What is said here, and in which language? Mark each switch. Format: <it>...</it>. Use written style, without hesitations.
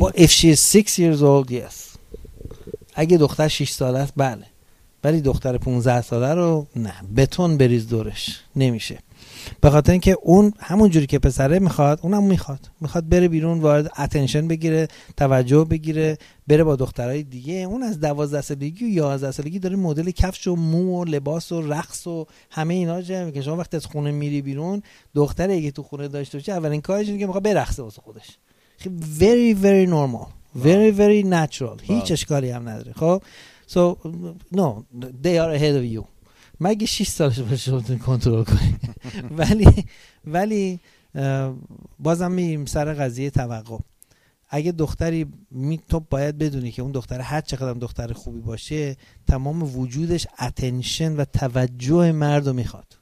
<en>با if she is 6 years old yes.</en> <fa>اگه دختر 6 ساله است بله، ولی دختر 15 ساله رو نه، بتون بریز دورش نمیشه. به خاطر اینکه اون همون جوری که پسره میخواد اونم میخواد، میخواد بره بیرون وارد اتنشن بگیره، توجه بگیره، بره با دخترای دیگه. اون از 12 سالگی و 11 سالگی داره مدل کفش و مو و لباس و رقص و همه اینا چه میگه. شما وقتی از خونه میری بیرون، دختر اگه تو خونه داشته باشه اولین کارش اینه که میخواد برقصه واسه خودش.</fa> <en>very very normal very very natural.</en> <fa>هیچ اشکالی هم نداره.</fa> <en>خب so no they are ahead of you.</en> <fa>مگه 6 سالش باشه شما تون کنترل کنی. ولی بازم میریم سر قضیه توقع. اگه دختری تو باید بدونی که اون دختر هر چقدر دختر خوبی باشه، تمام وجودش اتنشن و توجه مرد رو میخواد.</fa>